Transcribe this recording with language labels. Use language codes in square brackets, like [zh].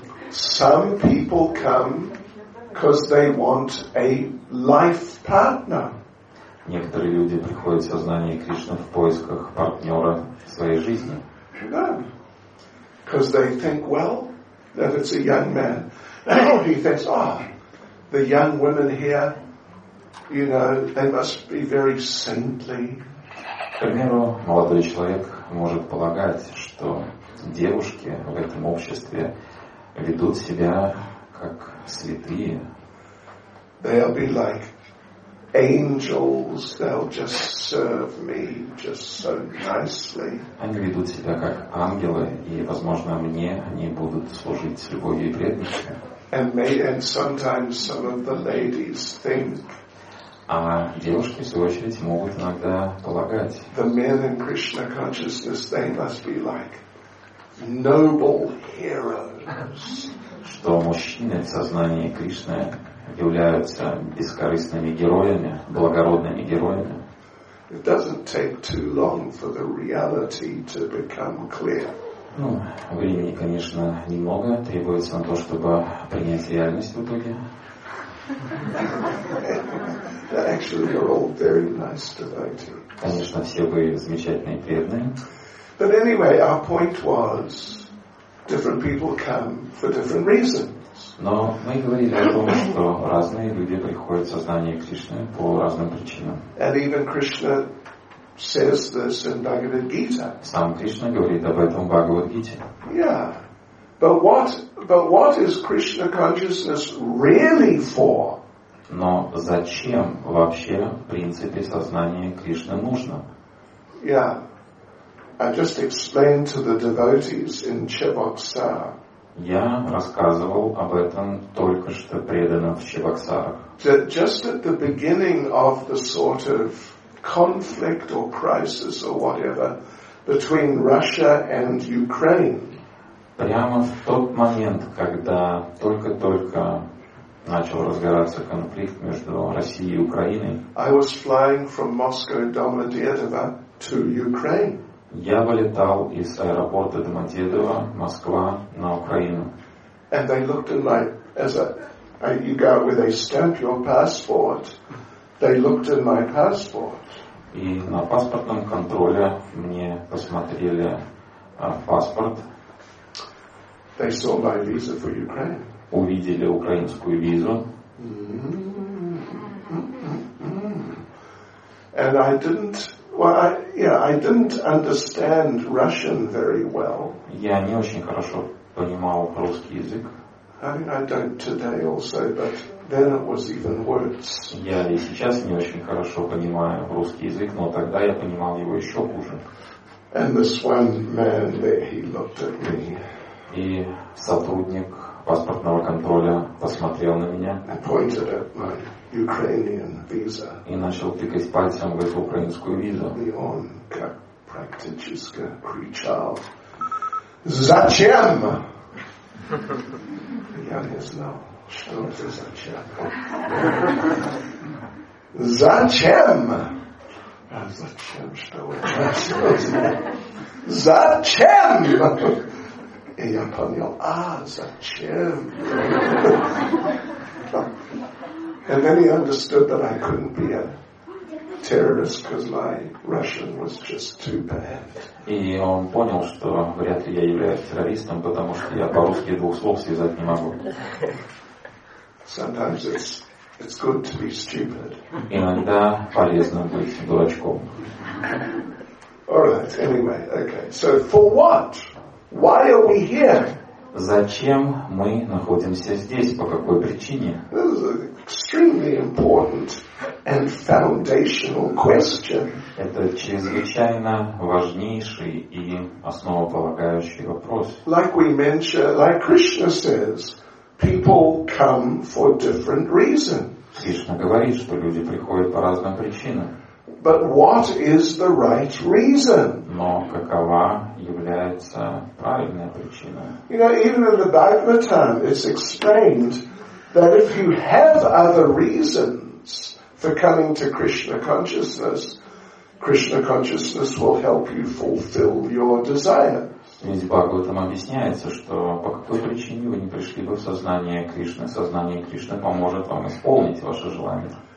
[en] Some people come because they want a life partner. [ru] Некоторые люди приходят в сознание Кришны в поисках партнера своей жизни. [en] Because they think, well, that it's a young man. He thinks, oh, the young women here, you know, they must be very saintly. [ru] К примеру, молодой человек может полагать, что девушки в этом обществе ведут себя как святые. [en] They'll be like angels, they'll just serve me just so nicely. [ru] Они ведут себя как ангелы, и, возможно, мне они будут служить с любовью и преданностью. [en] And sometimes some of the ladies think. [ru] А девушки, в свою очередь, могут иногда полагать. [en] The men in Krishna consciousness, they must be like noble heroes. [ru] Что мужчины в сознании Кришны являются бескорыстными героями, благородными героями. [en] It doesn't take too long for the reality to become clear. [ru] Ну, времени, конечно, немного требуется на то, чтобы принять реальность в итоге. [en] Actually, you're all very nice devotees. [ru] Конечно, все вы замечательные преданные. [en] But anyway, our point was, different people come for different reasons. [ru] Но мы говорили о том, что разные люди приходят в сознание Кришны по разным причинам. [en] And even Krishna says this in Bhagavad Gita. [ru] Сам Кришна говорит об этом в Бхагавад Гите. [en] Yeah. But what is Krishna consciousness really for? [ru] Но зачем вообще, в принципе, сознание Кришны нужно? [en] Yeah. I just explained to the devotees in Chiboksar. [ru] Я рассказывал об этом только что преданным в Чебоксарах. [en] That just at the beginning of the sort of conflict or crisis or whatever between Russia and Ukraine. [ru] Прямо в тот момент, когда только-только начал разгораться конфликт между Россией и Украиной, [en] I was flying from Moscow Domodedovo to Ukraine. [ru] Я вылетал из аэропорта Домодедово, Москва, на Украину. [en] And they looked at my, as a, you go with a stamp your passport. They looked at my passport. [ru] И на паспортном контроле мне посмотрели паспорт. [en] They saw my visa for Ukraine. [ru] Увидели украинскую визу. [en] And I didn't. Well, I didn't understand Russian very well. [ru] Я не очень хорошо понимал русский язык. [en] I don't today also, but then it was even worse. [ru] Я и сейчас не очень хорошо понимаю русский язык, но тогда я понимал его еще хуже. [en] And this one man there, he looked at me. [ru] И сотрудник паспортного контроля посмотрел на меня. [en] And pointed at my Ukrainian visa. [ru] И начал тыкать пальцем в эту украинскую визу. Он как практически кричал: «Зачем?» Я не знал, что это «зачем». «Зачем?» А «зачем?» Что это? «Зачем?» И я понял: «А, зачем?» [en] And then he understood that I couldn't be a terrorist because my Russian was just too bad. [ru] И он понял, что вряд ли я являюсь террористом, потому что я по-русски двух слов связать не могу. [en] Sometimes it's good to be stupid. [ru] Иногда полезно быть дурачком. [en] All right. Anyway, okay. So for what? Why are we here? [ru] Зачем мы находимся здесь? По какой причине? [en] Extremely important and foundational question. [ru] Это чрезвычайно важнейший и основополагающий вопрос. [en] Like we mentioned, like Krishna says, people come for different reasons. [ru] Кришна говорит, что люди приходят по разным причинам. [en] But what is the right reason? [ru] Но какова является правильная причина? [en] You know, even in the Bhagavatam, it's explained that if you have other reasons for coming to Krishna consciousness will help you fulfill your desires. [ru] Ведь Бхагаватам объясняется, что по какой причине вы не пришли бы в сознание Кришны, сознание Кришны поможет вам исполнить ваше желание.